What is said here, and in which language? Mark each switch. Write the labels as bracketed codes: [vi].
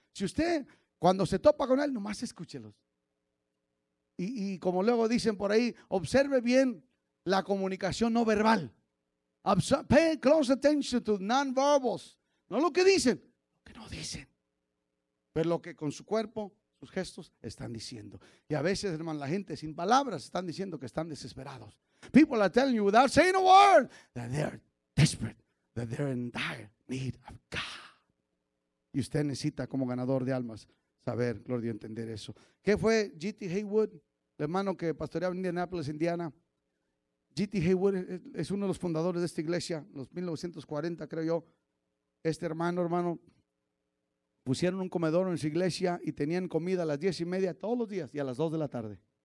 [es] Si usted, cuando se topa con él, nomás escúchelos. Y como luego dicen por ahí, observe bien la comunicación no verbal. [en] Pay close attention to non-verbals. [es] No lo que dicen, lo que no dicen. Pero lo que con su cuerpo, sus gestos están diciendo. Y a veces, hermano, la gente sin palabras están diciendo que están desesperados. [en] People are telling you without saying a word that they are desperate, that they are in dire need of God. [es] Y usted necesita, como ganador de almas, saber, gloria, entender eso. ¿Qué fue G.T. Haywood, el hermano que pastoreaba en Indianapolis, Indiana? G.T. Haywood es uno de los fundadores de esta iglesia, los 1940, creo yo. Este hermano, pusieron un comedor en su iglesia y tenían comida a las 10:30 todos los días y a las 2 de la tarde.